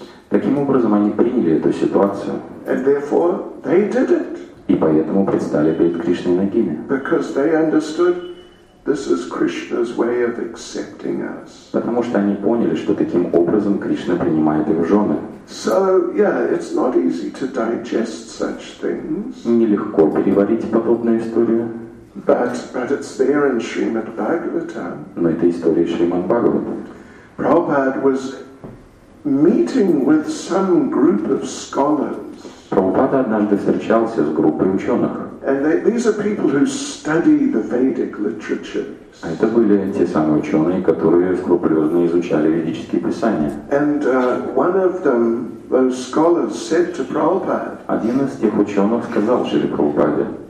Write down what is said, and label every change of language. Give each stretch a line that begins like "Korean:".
Russian: Таким образом, они приняли эту ситуацию.
English: And therefore, they did it.
Russian: И поэтому предстали перед Кришной нагими.
English: Because they understood This is Krishna's way of accepting us.
Russian: Потому что они поняли, что таким образом Кришна принимает их в жены.
English: So, yeah, it's not easy to digest such things.
Russian: Нелегко переварить подобную историю.
English: But it's there in Srimad Bhagavatam.
Russian: Но это история Шримад Бхагаватам.
English: Prabhupada was meeting with some group of scholars.
Russian: Прабхупада однажды встречался с группой ученых.
English: And these are people who study the Vedic literature.
Russian: А это были те самые ученые, которые скрупулезно изучали ведические писания.
English: And one of them, those scholars, said to Prabhupada.
Russian: Один из тех ученых сказал Шри Прабхупаде.